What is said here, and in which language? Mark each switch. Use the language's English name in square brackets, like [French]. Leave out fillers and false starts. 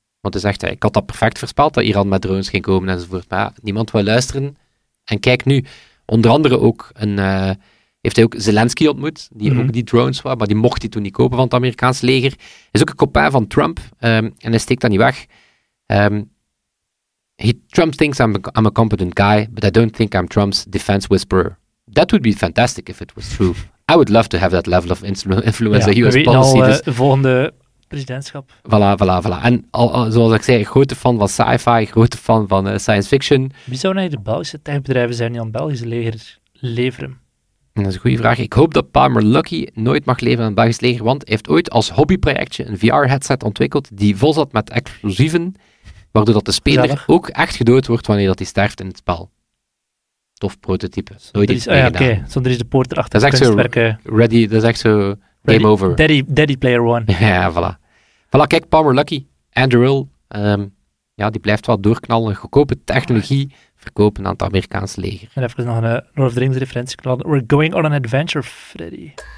[Dutch] Want hij zegt, ik had dat perfect voorspeld, dat Iran met drones ging komen enzovoort. Maar niemand wil luisteren. En kijk nu, onder andere ook heeft hij ook Zelensky ontmoet, die ook die drones was, maar die mocht hij toen niet kopen van het Amerikaanse leger. Hij is ook een copain van Trump, en hij steekt dat niet weg. [English] Trump thinks I'm a competent guy, but I don't think I'm Trump's defense whisperer. That would be fantastic if it was true. I would love to have that level of influence in US policy. [Dutch] Al, volgende presidentschap. Voilà. En zoals ik zei, grote fan van sci-fi, grote fan van science fiction. Wie zou nou de Belgische techbedrijven zijn die aan het Belgische leger leveren? Dat is een goede vraag. Ik hoop dat Palmer Luckey nooit mag leven aan het Belgisch leger, want hij heeft ooit als hobbyprojectje een VR-headset ontwikkeld die vol zat met explosieven, waardoor dat de speler ook echt gedood wordt wanneer dat hij sterft in het spel. Tof prototype. Nooit iets meer gedaan. Zonder is de poort erachter. Dat is echt zo, [English] game over. Daddy player one. [Dutch] Ja, voilà. Voilà, kijk, Palmer Luckey, Anduril, die blijft wel doorknallen. Goedkope technologie verkopen aan het Amerikaanse leger. En even nog een North of the Rings referentie knallen. [English] We're going on an adventure, Freddy.